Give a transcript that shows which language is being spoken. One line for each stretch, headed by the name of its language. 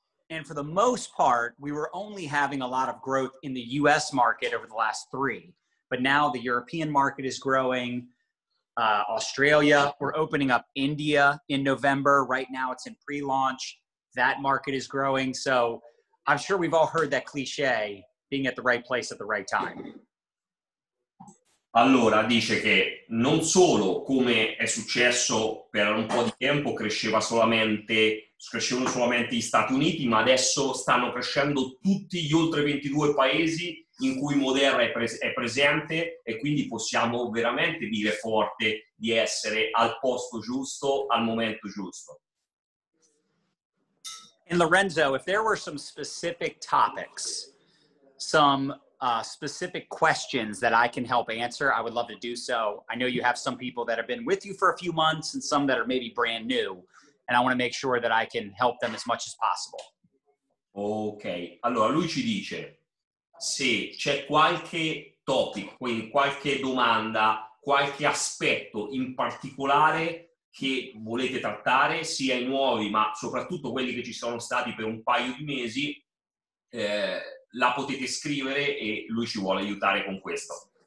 English: And for the most part, we were only having a lot of growth in the US market over the last 3. But now the European market is growing. Australia. We're opening up India in November. Right now it's in pre-launch. That market is growing. So I'm sure we've all heard that cliche, being at the right place at the right time.
Italian: Allora, dice che non solo, come è successo per un po' di tempo, crescevano solamente gli Stati Uniti, ma adesso stanno crescendo tutti gli oltre 22 paesi in cui Moderna è presente e quindi possiamo veramente dire forte di essere al posto giusto, al momento giusto.
English: And Lorenzo, if there were some specific topics, some specific questions that I can help answer, I would love to do so. I know you have some people that have been with you for a few months and some that are maybe brand new, and I want to make sure that I can help them as much as possible. Okay.
Italian: Allora, lui ci dice, se c'è qualche topic, quindi qualche domanda, qualche aspetto in particolare che volete trattare, sia i nuovi, ma soprattutto quelli che ci sono stati per un paio di mesi, la potete scrivere e lui ci vuole aiutare con questo.